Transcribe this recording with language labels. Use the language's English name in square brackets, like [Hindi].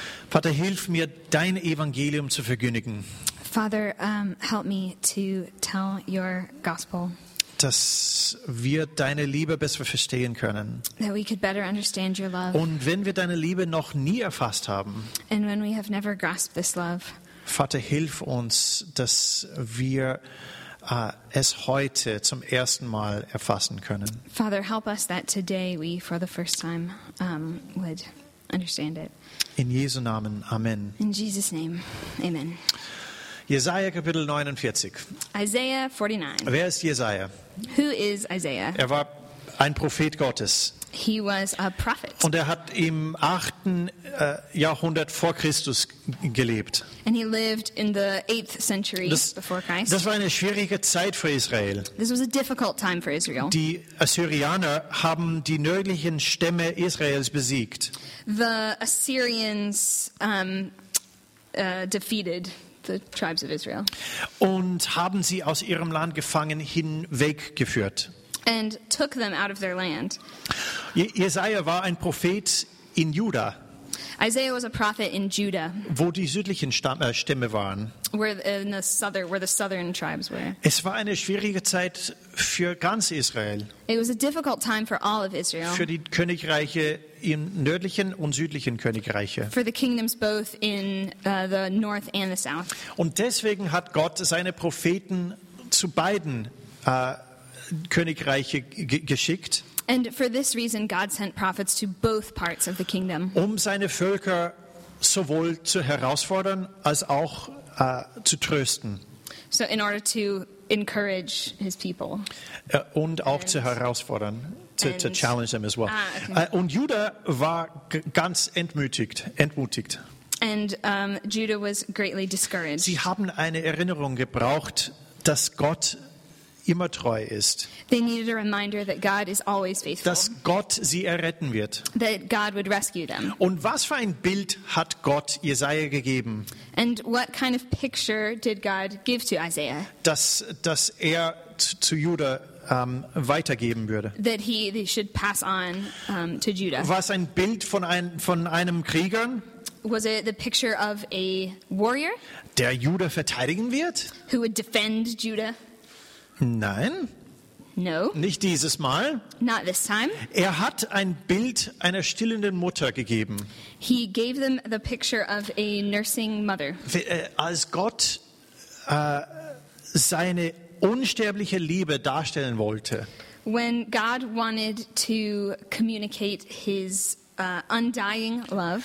[German] Vater, hilf mir, dein Evangelium zu verkündigen. [English] Father, help me to tell your gospel. [German] Dass wir deine Liebe besser verstehen können. [English] That we could better understand your love. [German] Und wenn wir deine Liebe noch nie erfasst haben. [English] And when we have never grasped this love. [German] Vater, hilf uns, dass wir es heute zum ersten Mal erfassen können. [English] Father, help us that today we, for the first time, would understand it. [German] In Jesu Namen, Amen. [English] In Jesus' name, Amen. [German] Jesaja Kapitel 49. [English] Isaiah 49. [German] Wer ist Jesaja? [English] Who is Isaiah? [German] Er war ein Prophet Gottes. [English] He was a prophet. [German] Und er hat im 8. Jahrhundert vor Christus gelebt. [English] And he lived in the 8th century before Christ. [German] Das war eine schwierige Zeit für Israel. [English] This was a difficult time for Israel. [German] Die Assyrianer haben die nördlichen Stämme Israels besiegt. [English] The Assyrians defeated the tribes of Israel. [German] Und haben sie aus ihrem Land gefangen hinweggeführt. [English] And took them out of their land. [German] Jesaja war ein Prophet in Juda. [English] Isaiah was a prophet in Judah. [German] Wo die südlichen Stämme waren. [English] Where the southern tribes were. [German] Es war eine schwierige Zeit für ganz Israel. [English] It was a difficult time for all of Israel. [German] Für die Königreiche im nördlichen und südlichen Königreiche. [English] For the kingdoms both in the north and the south. [German] Und deswegen hat Gott seine Propheten zu beiden Königreiche geschickt. [English] And for this reason God sent prophets to both parts of the kingdom. [German] Um seine Völker sowohl zu herausfordern als auch zu trösten. [English] So in order to encourage his people. [German] Und auch zu herausfordern, [English] to challenge them as well. Okay. [German] Und Juda war ganz entmutigt. [English] And Judah was greatly discouraged. [German] Sie haben eine Erinnerung gebraucht, dass Gott immer treu ist. [English] They needed a reminder that God is always faithful. [German] Dass Gott sie erretten wird. [English] That God would rescue them. [German] Und was für ein Bild hat Gott Jesaja gegeben? [English] And what kind of picture did God give to Isaiah? [German] Dass er zu Juda weitergeben würde. [English] That he should pass on to Judah. [German] Was ein Bild von einem Krieger? [English] Was it the picture of a warrior? [German] Der Juda verteidigen wird? [English] Who would defend Judah? [German] Nein. [English] No. [German] Nicht dieses Mal. [English] Not this time. [German] Er hat ein Bild einer stillenden Mutter gegeben. [English] He gave them the picture of a nursing mother. [German] Als Gott seine unsterbliche Liebe darstellen wollte. [English] When God wanted to communicate his undying love.